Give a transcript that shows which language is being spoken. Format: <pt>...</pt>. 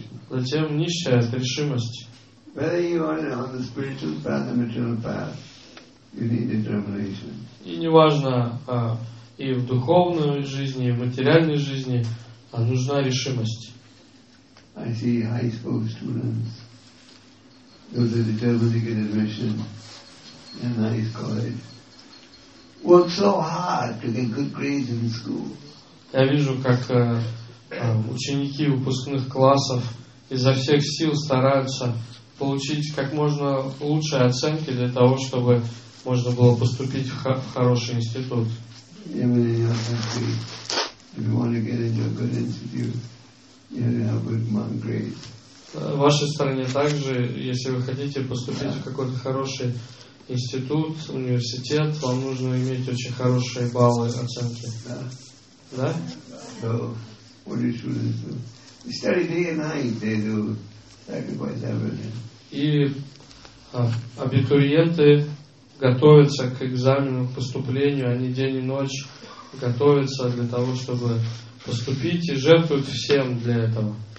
<ru>Затем нищая – это решимость. И неважно, и в духовной жизни, и в материальной жизни нужна решимость.</ru> <en>I see high school students. Those are determined to get admission in a nice college. Work so hard to get good grades in school.</en> <ru>Я вижу, как ученики выпускных классов изо всех сил стараются получить как можно лучшие оценки для того, чтобы можно было поступить в хороший институт.</ru> <en>Even in your country, if you want to get into a good institute, you have to have good mark grades.</en> <ru>В вашей стране также, если вы хотите поступить в какой-то хороший институт, университет, вам нужно иметь очень хорошие баллы, оценки. Да?</ru> <en>So, what do students do? They study day and night, they do sacrifice everything.</en> <ru>И абитуриенты готовятся к экзамену, к поступлению, они день и ночь готовятся для того, чтобы поступить и жертвуют всем для этого.</ru>